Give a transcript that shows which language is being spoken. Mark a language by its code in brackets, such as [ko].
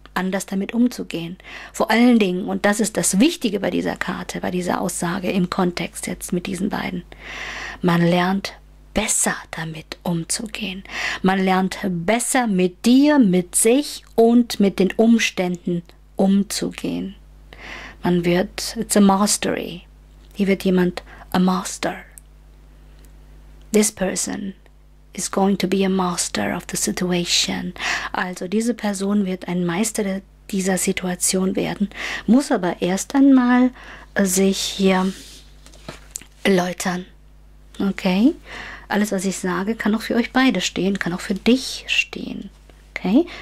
[de] anders damit umzugehen. Vor allen Dingen, und das ist das Wichtige bei dieser Karte, bei dieser Aussage im Kontext jetzt mit diesen beiden, man lernt besser damit umzugehen. Man lernt besser mit dir, mit sich und mit den Umständen umzugehen. Man wird, [en] it's a mastery. [de] Hier wird jemand [en] a master. This person is going to be a master of the situation. [de] Also diese Person wird ein Meister dieser Situation werden, muss aber erst einmal sich hier läutern. Okay? Alles, was ich sage, kann auch für euch beide stehen, kann auch für dich stehen. Okay?